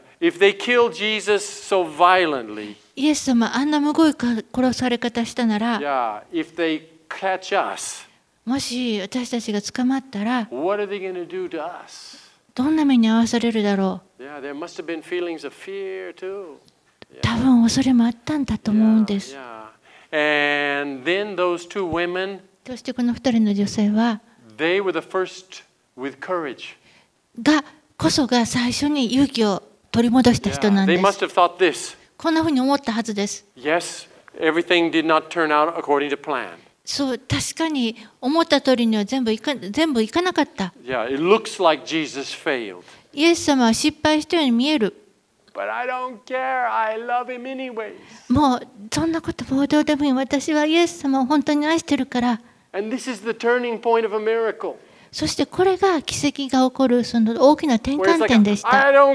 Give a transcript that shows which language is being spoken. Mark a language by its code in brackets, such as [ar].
[en] If they killed Jesus so violently [ja] イエス様、あんなむごい殺され方したなら、 [en] yeah, us, [ja] もし私たちが捕まったら、 [en] what are they gonna do to us? [ja] どんな目に遭わされるだろう。 [en] Yeah, there must have been feelings of fear too. Yeah. [ja] 多分恐れもあったんだと思うんです。 [en] Yeah, yeah. And then those two women, [ja] そしてこの二人の女性は、 [en] they were the first with courage. [ja] がこそが最初に勇気を取り戻した人なんです。 [en] Yeah, they must have thought this. [ja] こんなふうに思ったはずです。 [en] Yes, everything did not turn out according to plan. [ja] そう、確かに思った通りには全部行かなかった。 [en] Yeah, it looks like Jesus failed. [ja] イエス様は失敗したように見える。 [en] But I don't care. I love him anyways. [ja] もうそんなこともどうでもいい。私はイエス様を本当に愛してるから。 [en] And this is the turning point of a miracle. [ja] そしてこれが奇跡が起こるその大きな転換点でした。